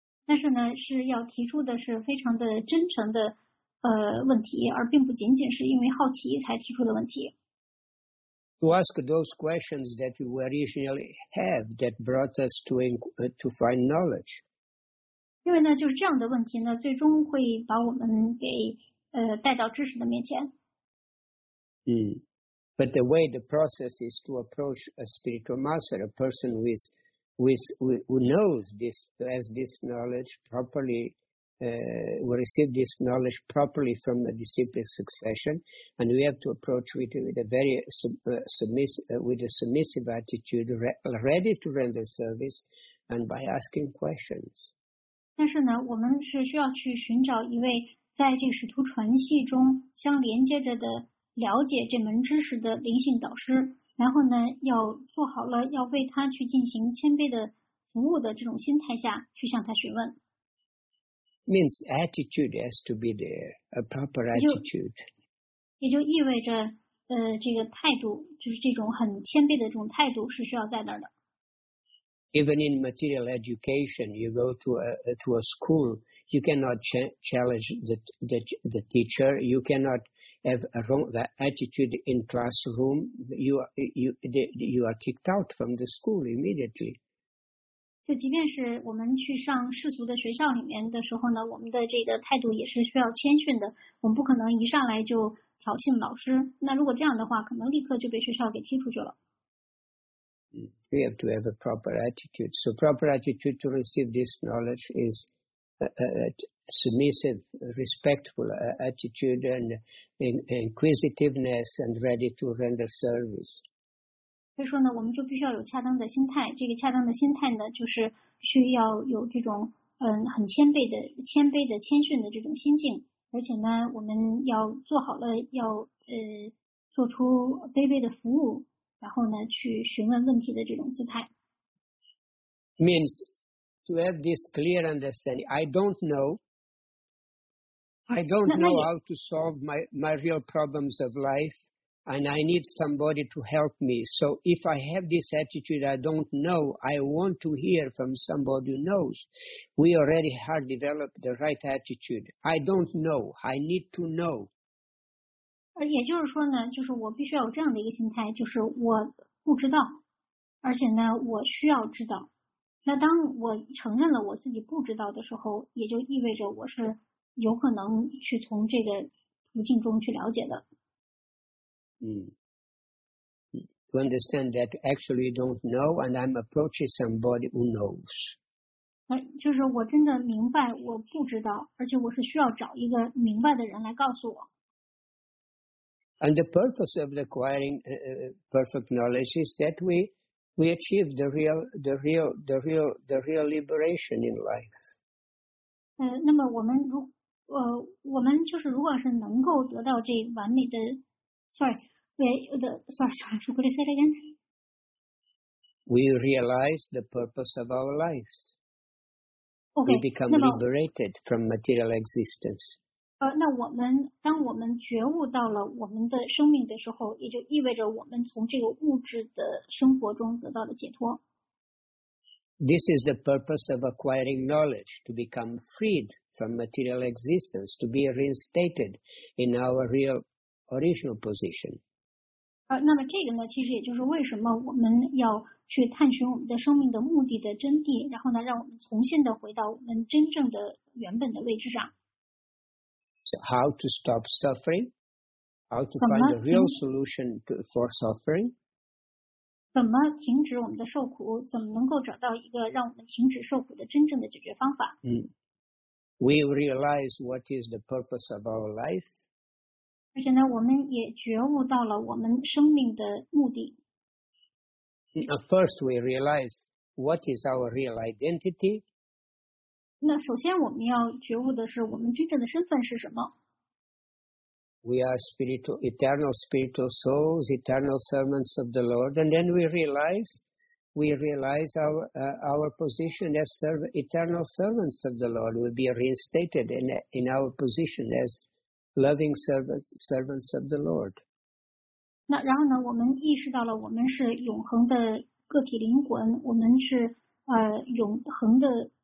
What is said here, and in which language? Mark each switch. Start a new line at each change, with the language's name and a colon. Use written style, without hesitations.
Chinese: 但是呢，是要提出的是非常的真诚的问题，而并不仅仅是因为好奇才提出的问题。
English: To ask those questions that we originally have that brought us to find knowledge.
Chinese: 因为呢，就是这样的问题呢，最终会把我们给带到知识的面前。
English: But the way the process is to approach a spiritual master, a person who knows this, has this knowledge properly, who received this knowledge properly from the disciplic succession, and we have to approach with a submissive attitude, ready to render service, and by asking questions.
Chinese: 但是呢，我们是需要去寻找一位在这个使徒传系中相连接着的了解这门知识的灵性导师。然后呢，要做好了要为他去进行谦卑的服务的这种心态下去向他询问。
English: Means attitude has to be there, a proper attitude.
Chinese: 也就意味着，这个态度，就是这种很谦卑的这种态度是需要在那儿的。
English: Even in material education, you go to a school, you cannot challenge the teacher. You cannot have a wrong attitude in classroom. You are kicked out from the school immediately.
Chinese: 就即便是我们去上世俗的学校里面的时候呢，我们的这个态度也是需要谦逊的。我们不可能一上来就挑衅老师。那如果这样的话，可能立刻就被学校给踢出去了。
English: We have to have a proper attitude. So proper attitude to receive this knowledge is a submissive, respectful attitude and inquisitiveness and ready to render service.
Chinese: 所以说呢，我们就必须要有恰当的心态。这个恰当的心态呢，就是需要有这种很谦卑的、谦逊的这种心境。而且呢，我们要做好了，要做出卑微的服务。然后呢，去询问问题的这种姿态
English: ，means to have this clear understanding. I don't know how to solve my real problems of life, and I need somebody to help me. So if I have this attitude, I don't know. I want to hear from somebody who knows. We already have developed the right attitude. I don't know. I need to know.
Chinese: 也就是说呢，就是我必须要有这样的一个心态，就是我不知道，而且呢，我需要知道。那当我承认了我自己不知道的时候，也就意味着我是有可能去从这个途径中去了解的。
English: To understand that actually don't know, and I'm approaching somebody who knows.
Chinese: 就是我真的明白我不知道，而且我是需要找一个明白的人来告诉我。
English: And the purpose of acquiring perfect knowledge is that we achieve the real liberation in life.
Chinese: 那么我们就是如果是能够得到这完美的 ，
English: sorry, could you say it again? We realize the purpose of our lives. Okay, we become liberated from material existence.
Chinese: 那我们当我们觉悟到了我们的生命的时候，也就意味着我们从这个物质的生活中得到了解脱。
English: This is the purpose of acquiring knowledge, to become freed from material existence, to be reinstated in our real original position.
Chinese: 那么这个呢，其实也就是为什么我们要去探寻我们的生命的目的的真谛，然后呢，让我们重新的回到我们真正的原本的位置上。
English: So how to stop suffering? How to find the real solution for suffering?
Chinese: 怎么停止我们的受苦？怎么能够找到一个让我们停止受苦的真正的解决方法？
English: We realize what is the purpose of our life.
Chinese: 而且呢，我们也觉悟到了我们生命的目的。
English: First, we realize what is our real identity.
Chinese: 那首先我们要觉悟的是我们真正的身份是什么。
English: We are eternal spiritual souls, eternal servants of the Lord, and then we realize our position as eternal servants of the Lord. We'll be reinstated in our position as loving servants of the Lord.
Chinese: 那然后呢，我们意识到了我们是永恒的个体灵魂，我们是永恒的。